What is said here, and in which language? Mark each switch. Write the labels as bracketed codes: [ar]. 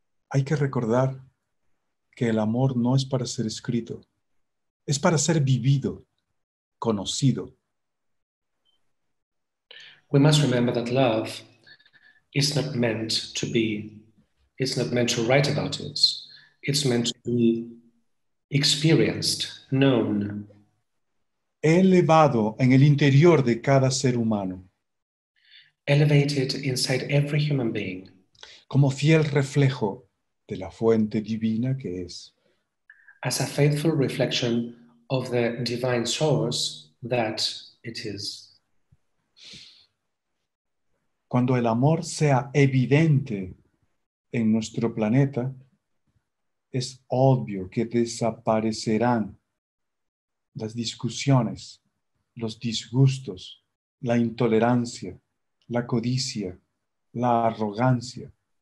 [es] Hay que recordar que el amor no es para ser escrito, es para ser vivido, conocido. [en] We must remember that love is not meant to be, it's not meant to write about it. It's meant to be experienced, known. [es] Elevado en el interior de cada ser humano. [en] Elevated inside every human being. [es] Como fiel reflejo de la fuente divina que es. [en] As a faithful reflection of the divine source that it is. [es] Cuando el amor sea evidente en nuestro planeta, es obvio que desaparecerán las discusiones, los disgustos, la intolerancia, la codicia, la arrogancia.